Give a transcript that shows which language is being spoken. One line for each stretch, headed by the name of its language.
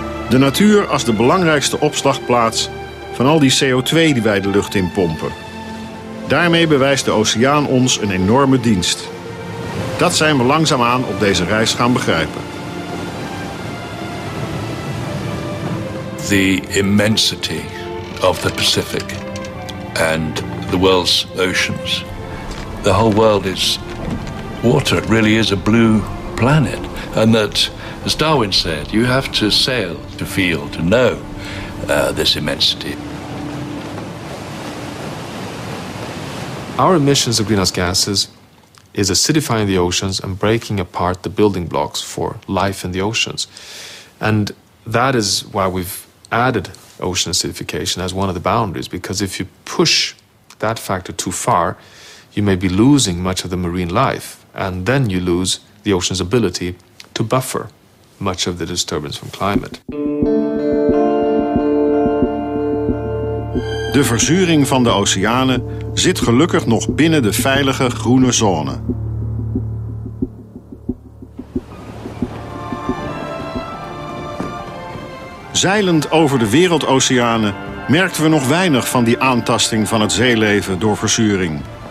Dutch: De natuur als de belangrijkste opslagplaats van al die CO2 die wij de lucht in pompen. Daarmee bewijst de oceaan ons een enorme dienst. Dat zijn we langzaamaan op deze reis gaan begrijpen.
English: The immensity of the Pacific and the world's oceans. The whole world is water. It really is a blue planet. And that, as Darwin said, you have to sail to feel, to know this immensity. Our emissions of greenhouse gases is acidifying the oceans and breaking apart the building blocks for life in the oceans. And that is why we've added ocean acidification as one of the boundaries, because if you push that factor too far, you may be losing much of the marine life, and then you lose the ocean's ability to buffer much of the disturbance from climate.
Dutch: De verzuring van de oceanen zit gelukkig nog binnen de veilige groene zone. Zeilend over de wereldoceanen merkten we nog weinig van die aantasting van het zeeleven door verzuring.